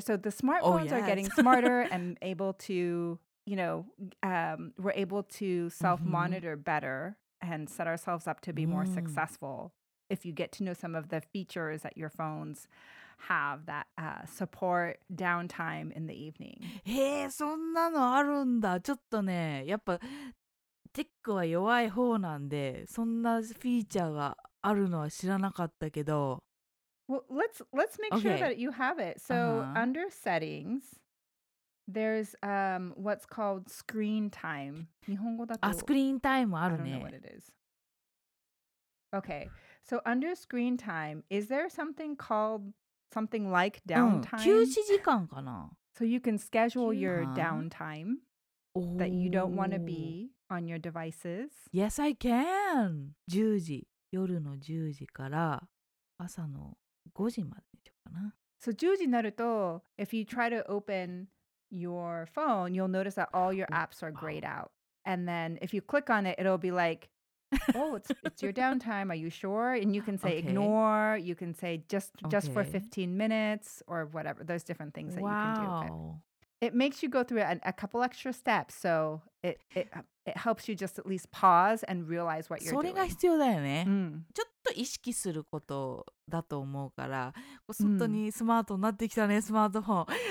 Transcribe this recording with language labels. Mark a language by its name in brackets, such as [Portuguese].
[English] So the smartphones are getting smarter and able to, you know, we're able to self-monitor better and set ourselves up to be more successful if you get to know some of the features that your phones have that support downtime in the evening. [Japanese] Hey, そんなのあるんだ。ちょっとね、やっぱテックは弱い方なんで、そんなフィーチャーがあるのは知らなかったけど。 [English] Well, let's make sure that you have it. So under settings, there's what's called screen time. [Japanese] 日本語だと、あ、スクリーンタイムあるね。 [English] I don't know what it is. Okay, so under screen time, is there something called something like downtime? [Japanese] 休止時間かな。 [English] So you can schedule your downtime that you don't want to be on your devices. Yes, I can. 10時。 [Japanese] 夜の10時から朝の5時までにしようかな。 [English] So [Japanese] 10時になると [English] if you try to open your phone you'll notice that all your apps are grayed out and then if you click on it it'll be like oh it's your downtime are you sure and you can say ignore you can say just for 15 minutes or whatever there's different things that you can do but... It makes you go through a couple extra steps, so it helps you just at least pause and realize what you're doing. [Japanese] それが必要だよね。うん。ちょっと意識することだと思うから、本当にスマートになってきたね、スマートフォン。